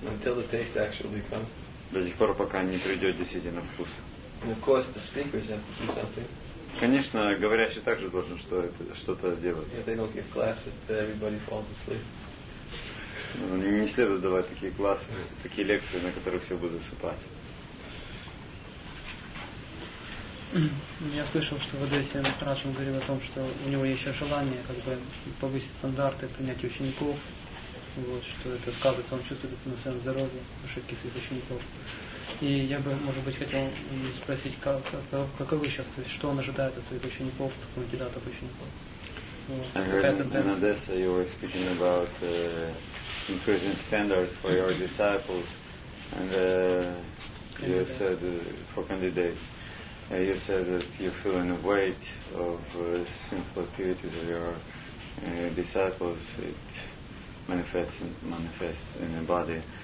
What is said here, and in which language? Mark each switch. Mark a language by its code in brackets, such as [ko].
[en] Until the taste actually comes. [ru] До тех пор, пока не придет действительно вкус. [en] And of course, the speakers have to do something. [ru] Конечно, говорящий также должен что-то делать. [en] They don't give classes, everybody falls asleep. [ru] Не следует давать такие классы, такие лекции, на которых все будут засыпать. Я слышал, что в Одессе Рашин говорил о том, что у него есть желание как бы повысить стандарты, принять учеников, вот, что это сказывается, он чувствует это на своем здоровье, ошибки своих учеников. И я бы, может быть, хотел спросить, каковы сейчас, то есть, что он ожидает от своих учеников, кандидатов учеников? [en] In Odessa, you were speaking about increasing standards for your disciples, and you said for candidates, you said that you feel in the weight of sinful activities of your disciples, it manifests in the body.